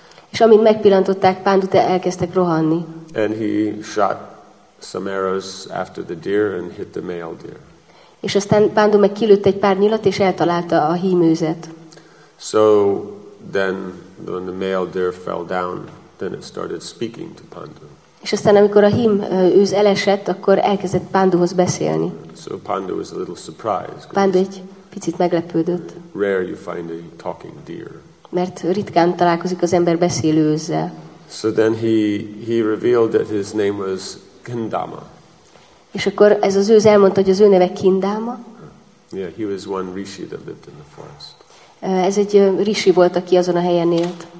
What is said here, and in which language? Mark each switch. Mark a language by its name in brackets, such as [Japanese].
[Hungarian] És amint megpillantották Pandut, elkezdtek rohanni. [English] And he shot some arrows after the deer and hit the male deer. [Hungarian] És aztán Pandu meg kilőtt egy pár nyilat és eltalálta a hímőzet. [English] So then when the male deer fell down, then it started speaking to Pandu. [Hungarian] És aztán amikor a hím őz elesett, akkor elkezdett Panduhoz beszélni. [English] So Pandu was a little surprised. [Hungarian] Pandu egy picit meglepődött. [English] Rare you find a talking deer. [Hungarian] Mert ritkán találkozik az ember beszélő őzzel. [English] So then he revealed that his name was Kindama. [Hungarian] És akkor ez az őz elmondta, hogy az ő neve Kindama. [English] Yeah, he was one rishi that lived in the forest. [Hungarian] Ez egy rishi volt, aki azon a helyen élt.